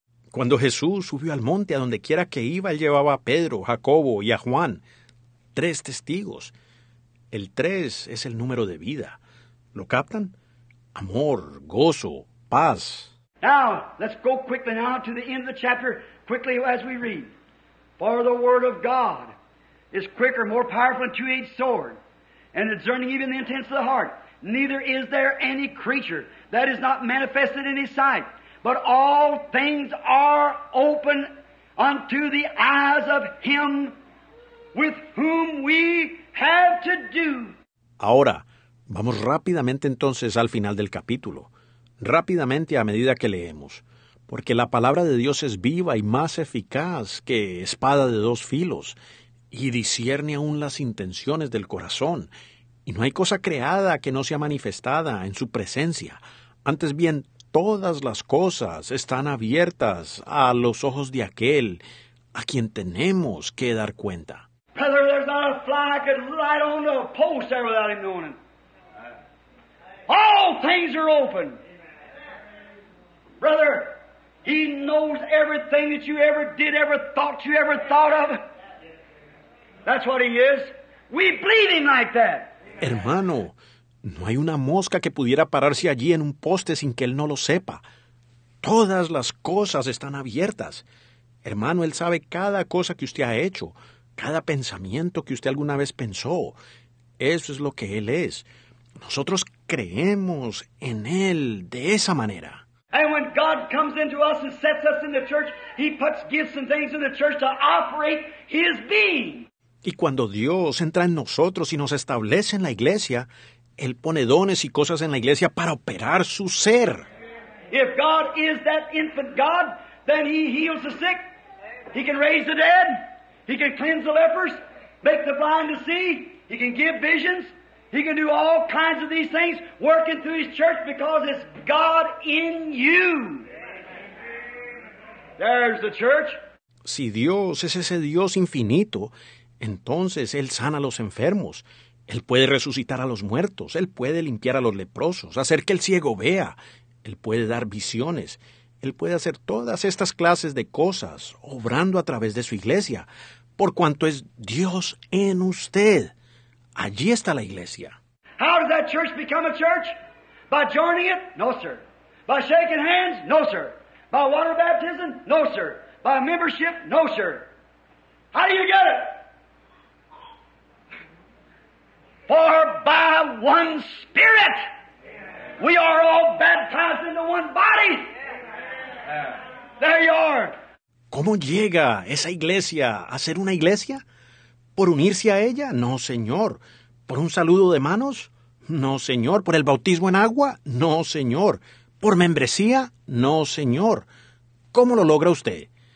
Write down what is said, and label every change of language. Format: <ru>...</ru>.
<es>Cuando Jesús subió al monte, a donde quiera que iba, él llevaba a Pedro, Jacobo y a Juan, tres testigos. El tres es el número de vida. ¿Lo captan? Amor, gozo, paz.</es> <en>Now, let's go quickly now to the end of the chapter, quickly as we read. For the word of God is quicker, more powerful than a two-edged sword. And discerning even the intents of the heart. Neither is there any creature that is not manifested in his sight. But all things are open unto the eyes of him with whom we have to do.</en> <es>Ahora, vamos rápidamente entonces al final del capítulo. Rápidamente a medida que leemos. Porque la palabra de Dios es viva y más eficaz que espada de dos filos. Y discierne aún las intenciones del corazón. Y no hay cosa creada que no sea manifestada en su presencia. Antes bien, todas las cosas están abiertas a los ojos de aquel a quien tenemos que dar cuenta.</es> <en>Brother, there's not a fly that could light on the post there without him knowing it. All things are open. Brother, he knows everything that you ever did, ever thought you ever thought of. That's what he is. We believe him like that.</en> <es>Hermano, no hay una mosca que pudiera pararse allí en un poste sin que él no lo sepa. Todas las cosas están abiertas. Hermano, él sabe cada cosa que usted ha hecho, cada pensamiento que usted alguna vez pensó. Eso es lo que él es. Nosotros creemos en él de esa manera.</es> <en>And when God comes into us and sets us in the church, he puts gifts and things in the church to operate his being.</en> <es>Y cuando Dios entra en nosotros y nos establece en la iglesia, Él pone dones y cosas en la iglesia para operar su ser.</es> <en>If God is that infant God, then he heals the sick. He can raise the dead. He can cleanse the lepers. Make the blind to see. He can give visions. He can do all kinds of these things working through his church because it's God in you. There's the church.</en> <es>Si Dios es ese Dios infinito, entonces, Él sana a los enfermos, Él puede resucitar a los muertos, Él puede limpiar a los leprosos, hacer que el ciego vea, Él puede dar visiones, Él puede hacer todas estas clases de cosas, obrando a través de su iglesia, por cuanto es Dios en usted. Allí está la iglesia.</es> <en>How does that church become a church? By joining it? No, sir. By shaking hands? No, sir. By water baptism? No, sir. By membership? No, sir. How do you get it? For by one Spirit, we are all baptized into one body. There you are.</en> <es>¿Cómo llega esa iglesia a ser una iglesia? ¿Por unirse a ella? No, señor. ¿Por un saludo de manos? No, señor. ¿Por el bautismo en agua? No, señor. ¿Por membresía? No, señor. ¿Cómo lo logra usted?</es>